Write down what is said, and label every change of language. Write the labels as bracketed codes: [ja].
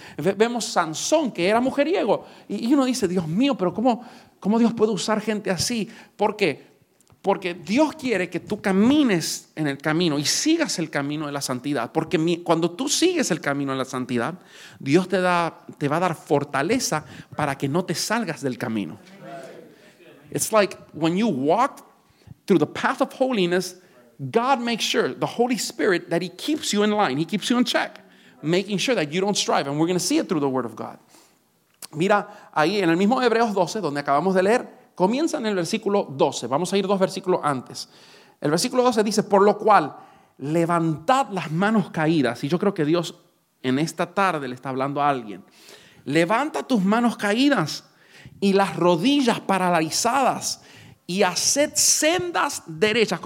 [es] Vemos Sansón que era mujeriego. Y uno dice, Dios mío, pero ¿cómo Dios puede usar gente así? ¿Por qué? Porque Dios quiere que tú camines en el camino y sigas el camino de la santidad. Porque cuando tú sigues el camino de la santidad, Dios te va a dar fortaleza para que no te salgas del camino. [en] It's like when you walk through the path of holiness, God makes sure, the Holy Spirit, that He keeps you in line, He keeps you in check, making sure that you don't strive. And we're going to see it through the Word of God. [es] Mira, ahí en el mismo Hebreos 12, donde acabamos de leer, comienza en el versículo 12. Vamos a ir dos versículos antes. El versículo 12 dice, por lo cual, levantad las manos caídas. Y yo creo que Dios en esta tarde le está hablando a alguien. Levanta tus manos caídas y las rodillas paralizadas y haced sendas derechas.